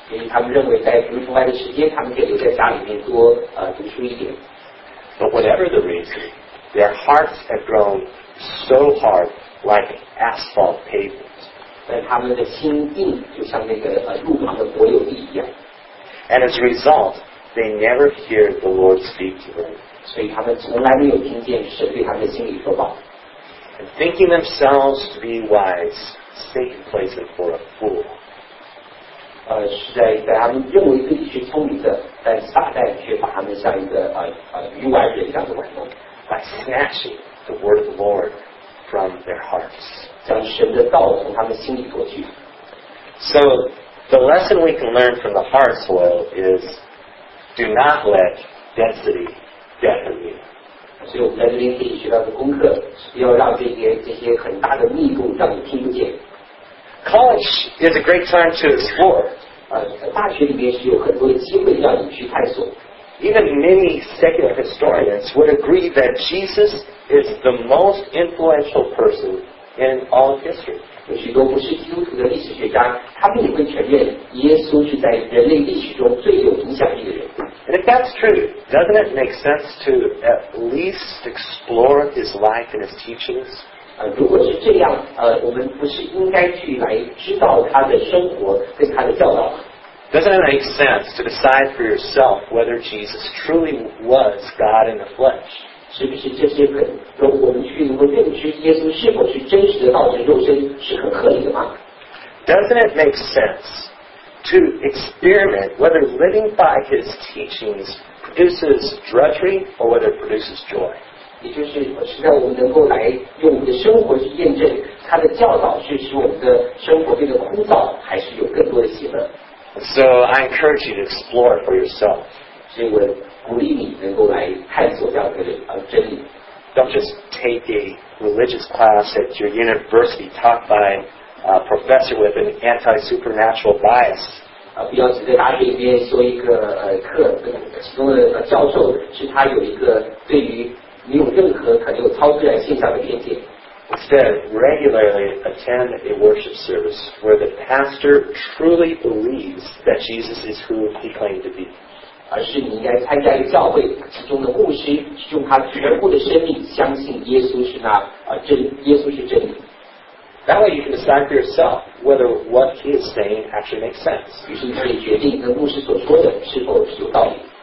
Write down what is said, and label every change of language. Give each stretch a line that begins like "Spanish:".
Chinese: 也许他们认为在读书外的时间，他们可以留在家里面多读书一点。
English: But whatever the reason. Their hearts have grown so hard, like asphalt pavement.
Chinese: 但他们的心硬，就像那个路旁的柏油地一样。
English: And as a result, they never hear the Lord speak to them.
Chinese: 所以他们从来没有听见神对他们的心里说话。
English: And thinking themselves to be wise, Satan plays them for a fool.
Chinese: 是在他们认为自己是聪明的，但撒旦却把他们像一个愚顽人一样的玩弄。
English: By snatching the word of the Lord from their hearts.
Chinese: 将神的道从他们心里夺去。
English: So, the lesson we can learn from the hard soil is do not let density deafen you.
Chinese: 所以我们在这边可以学到的功课是要让这些很大的密度让你听不见。
English: College is a great time to explore.
Chinese: 大学里面是有很多的机会让你去探索。
English: Even many secular historians would agree that Jesus is the most influential person in all of history.
Chinese: 有许多不是基督徒的历史学家，他们也会承认耶稣是在人类历史中最有影响力的人。
English: And if that's true, doesn't it make sense to at least explore his life and his teachings?
Chinese: 如果是这样，我们不是应该去来知道他的生活跟他的教导吗？
English: Doesn't it make sense to decide for yourself whether Jesus truly was God in the flesh?
Chinese: 是不是这些人，我们去能够认知耶稣是否是真实的道成肉身，是很合理的吗？
English: Doesn't it make sense to experiment whether living by his teachings produces drudgery or whether it produces joy?
Chinese: 也就是让我们能够来用我们的生活去验证他的教导是使我们的生活变得枯燥，还是有更多的喜乐。
English: So I encourage you to explore for yourself.
Chinese: 所以我鼓励你能够来探索这样的真理。
English: Don't just take a religious class at your university taught by a professor with an anti-supernatural bias.
Chinese: 不要只在大学里面修一个课，其中的教授是他有一个对于没有任何可能有超自然现象的偏见。
English: Instead, regularly attend a worship service where the pastor truly believes that Jesus is who he claimed to be.
Chinese: 而是你应该参加一个教会其中的牧师用他全部的生命相信耶稣是那真耶稣是真理。
English: That way you can decide for yourself whether what he is saying actually makes sense.
Chinese: 于是你可以决定跟牧师所说的是否有道理。